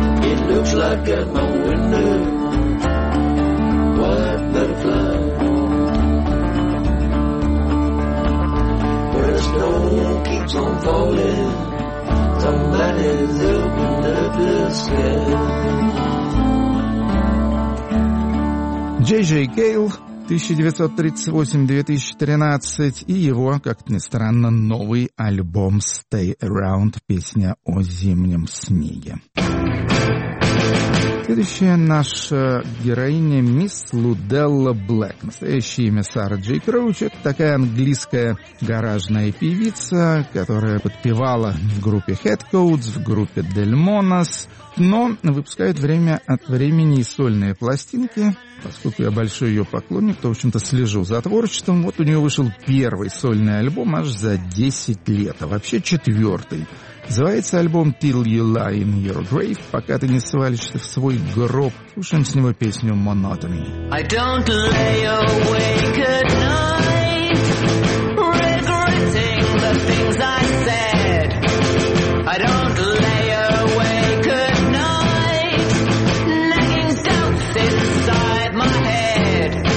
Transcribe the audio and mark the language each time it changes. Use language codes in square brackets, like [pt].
[en] It looks like at my window, white butterfly. When our snow keeps on falling, somebody's opened up the sky. [ru] Джей Джей Кейл, 1938-2013, и его, как ни странно, новый альбом «Stay Around», песня о зимнем снеге. Следующая наша героиня – мисс Луделла Блэк. Настоящее имя Сара Джей Кроуч. Это такая английская гаражная певица, которая подпевала в группе «Headcoats», в группе «Дельмонос». Но выпускает время от времени и сольные пластинки. Поскольку я большой ее поклонник, то, в общем-то, слежу за творчеством. Вот у нее вышел первый сольный альбом аж за 10 лет, а вообще четвертый. Называется альбом «Till You Lie in Your Grave», «Пока ты не свалишься в свой гроб». Слушаем с него песню «Monotony». [en] I don't lay awake at night, regretting the things I said. I don't lay awake at night, nagging doubts inside my head.